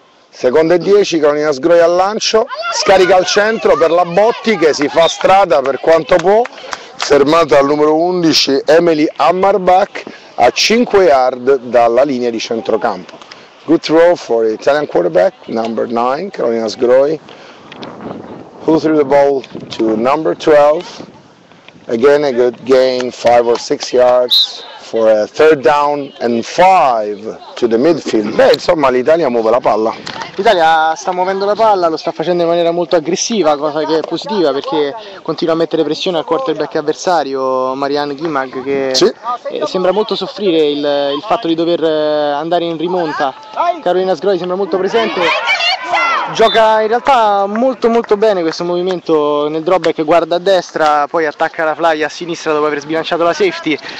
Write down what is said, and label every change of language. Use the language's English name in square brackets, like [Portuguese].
[Italian] Seconda e 10, Carolina Sgroi al lancio, scarica al centro per la Botti che si fa strada per quanto può, fermata al numero 11 Emily Hammerbach a 5 yard dalla linea di centrocampo. [English] Good throw for Italian quarterback, number 9, Carolina Sgroi, who threw the ball to number 12, again a good gain, 5 or 6 yards. For a third down and 5 to the midfield. [Italian] Beh, insomma, l'Italia muove la palla. L'Italia sta muovendo la palla, lo sta facendo in maniera molto aggressiva, cosa che è positiva perché continua a mettere pressione al quarterback avversario, Marianne Gimag, che sì, sembra molto soffrire il fatto di dover andare in rimonta. Carolina Sgroi sembra molto presente. Gioca in realtà molto molto bene questo movimento nel drawback, guarda a destra, poi attacca la fly a sinistra dopo aver sbilanciato la safety.